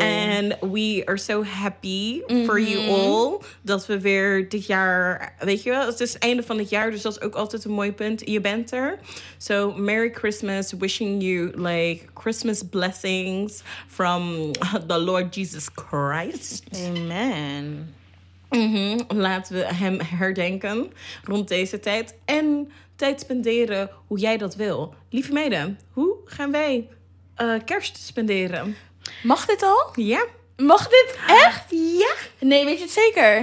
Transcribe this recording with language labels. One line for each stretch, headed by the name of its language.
English: And we are so happy for you all.
Dutch: Dat we weer dit jaar, weet je wel, het is het einde van het jaar. Dus dat is ook altijd een mooi punt. Je bent er.
English: So, Merry Christmas. Wishing you, like, Christmas blessings from the Lord Jesus Christ. Amen.
Dutch: Laten we hem herdenken rond deze tijd. En tijd spenderen hoe jij dat wil. Lieve meiden, hoe gaan wij kerst spenderen? Mag dit al? Ja. Mag dit echt? Ja. Nee, weet je het zeker?